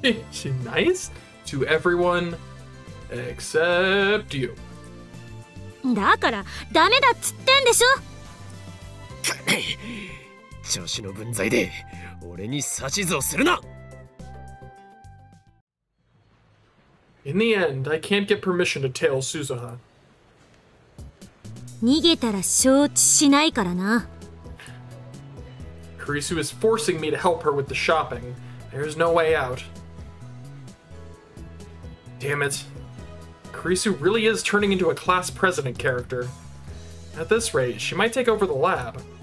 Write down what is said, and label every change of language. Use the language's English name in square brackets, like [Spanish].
[English] She nice to everyone except you. [Japanese] だからダメだっつってんでしょ。調子の分際で俺に指図をするな。 [English] In the end, I can't get permission to tail Suzuha. [Japanese] 逃げたら承知しないからな。 [English] Kurisu is forcing me to help her with the shopping. There's no way out. Damn it. Kurisu really is turning into a class president character. At this rate, she might take over the lab.